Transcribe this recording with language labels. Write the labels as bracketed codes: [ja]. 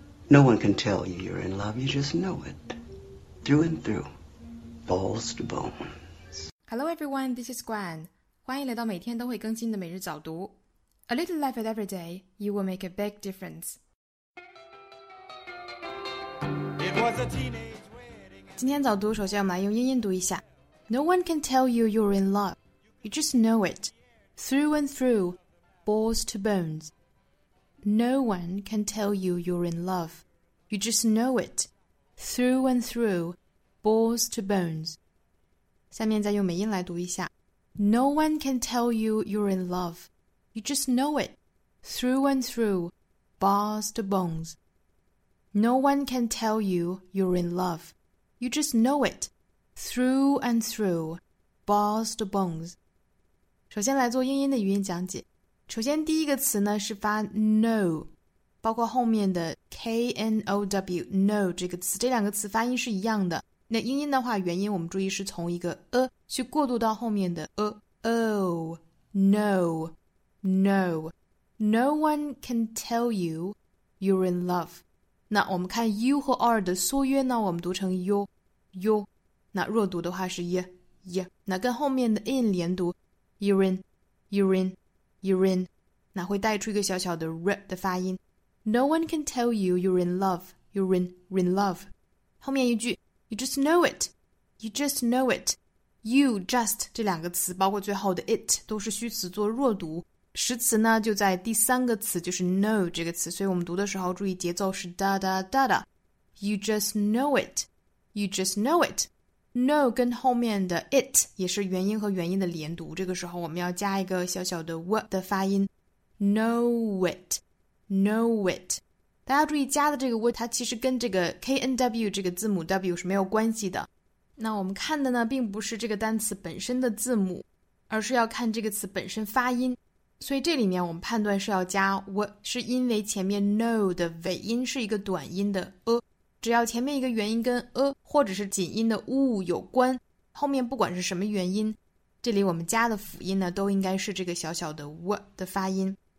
[en] No one can tell you you're in love. You just know it. Through and through. Balls to bones. Hello everyone, this is Gwen. [zh] 欢迎来到每天都会更新的每日早读。 [en] A little life at every day, you will make a big difference. It was a teenage wedding. [zh] 今天早读首先我们来用英音读一下。 [en] No one can tell you you're in love. You just know it. Through and through. Balls to bones. No one can tell you you're in love. You just know it. Through and through, balls to bones. [zh] 下面再用美音来读一下。 [en] No one can tell you you're in love. You just know it. Through and through, balls to bones. No one can tell you you're in love. You just know it. Through and through, balls to bones. [zh] 首先来做英音的语音讲解。首先第一个词呢是发 know, 包括后面的 K-N-O-W, know 这个词，这两个词发音是一样的。那英音的话原因我们注意是从一个 去过渡到后面的 [en] Oh, no, no, no one can tell you you're in love. [zh] 那我们看 you 和 are 的缩约呢，我们读成 you, you, 那弱读的话是 ye, ye, 那跟后面的 in 连读 you're in, you're in,You're in, 那会带出一个小小的 r 的发音。 [en] No one can tell you you're in love, you're in, you're in love. [zh] 后面一句 [en] you just know it, you just know it. [zh] You, just, 这两个词包括最后的 it, 都是虚词做弱读。实词呢就在第三个词就是 know 这个词，所以我们读的时候注意节奏是 da da da da. [en] You just know it, you just know it. [zh] Know 跟后面的 it 也是元音和元音的连读，这个时候我们要加一个小小的 w 的发音 [en] know it, know it. [zh] 大家注意加的这个 w 它其实跟这个 knw 这个字母 w 是没有关系的。那我们看的呢并不是这个单词本身的字母，而是要看这个词本身发音，所以这里面我们判断是要加 w， 是因为前面 know 的尾音是一个短音的 a，只要前面一个元音跟 a 或者是紧音的 u 有关，后面不管是什么元音，这里我们加的辅音呢都应该是这个小小的 w 的发音。